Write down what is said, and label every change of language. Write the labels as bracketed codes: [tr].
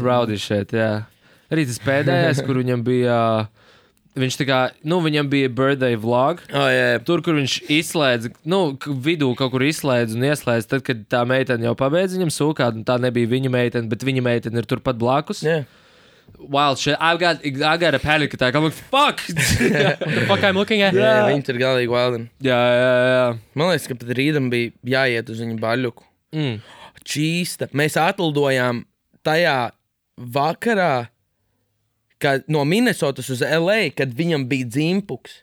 [en] Rowdy shit, jā. [lv] Arī tas pēdējais, kur viņam bija, viņš tā kā, nu, viņam bija birthday vlog. Oh, jā. Tur, kur viņš izslēdz, nu, vidū kaut kur izslēdz un ieslēdz, tad, kad tā meitene jau pabeidz viņam sūkāt, un tā nebija viņa meitene, bet viņa meitene ir turpat blakus. [en] Yeah. Wild shit, I got a panic attack, I'm like, fuck! What the fuck I'm looking at? [lv] Jā, viņi tur galīgi wildin. Jā, jā, jā. Man liekas, ka pat Rīdam bija jāiet uz viņu baļuku. Čīsta. Mēs atlidojām tajā vakarā, ka no Minnesotas uz LA, kad viņam bija dzimpuks.